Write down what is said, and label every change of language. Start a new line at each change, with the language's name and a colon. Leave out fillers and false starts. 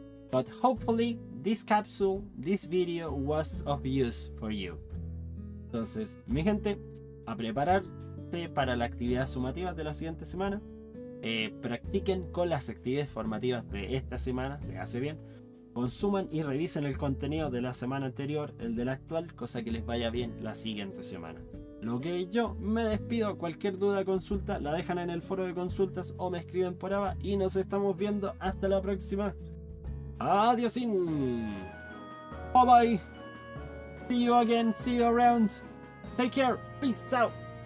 English: But hopefully, this capsule, this video was of use for you.
Spanish: Entonces, mi gente, a prepararte para la actividad sumativa de la siguiente semana. Practiquen con las actividades formativas de esta semana, les hace bien. Consuman y revisen el contenido de la semana anterior, el de la actual, cosa que les vaya bien la siguiente semana. Lo que yo me despido, cualquier duda o consulta la dejan en el foro de consultas o me escriben por ABA y nos estamos viendo hasta la próxima. Adiós.
English: Bye bye. See you again, see you around. Take care, peace out.